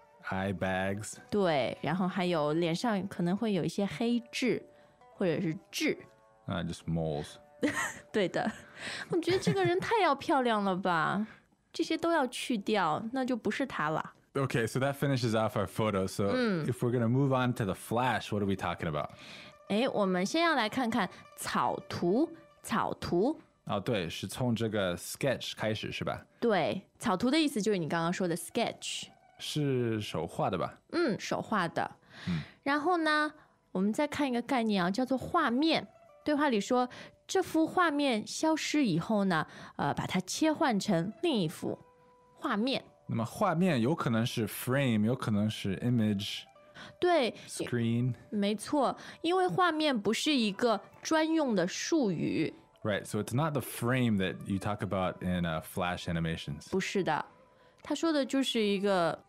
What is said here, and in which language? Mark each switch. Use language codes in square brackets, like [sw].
[en] ，eye bags。 [zh] 对，然后还有脸上可能会有一些黑痣，或者是痣。 [en] Just moles. [zh] 对的，我觉得这个人太要漂亮了吧，这些都要去掉，那就不是他了。 [en] Okay, so that finishes off our photo. So if we're going to move on to the flash, what are we talking about? [zh] 诶，我们先要来看看草图，草图。哦，对，是从这个 sketch 开始是吧？对，草图的意思就是你刚刚说的 sketch。是手画的吧？嗯，手画的。然后呢，我们再看一个概念啊，叫做画面。对话里说，这幅画面消失以后呢，把它切换成另一幅画面。那么画面有可能是 frame， 有可能是 image，对 [en] ，screen， [zh] 没错，因为画面不是一个专用的术语。 [en] Right, so it's not the frame that you talk about in flash animations. [zh] 不是的，他说的就是一个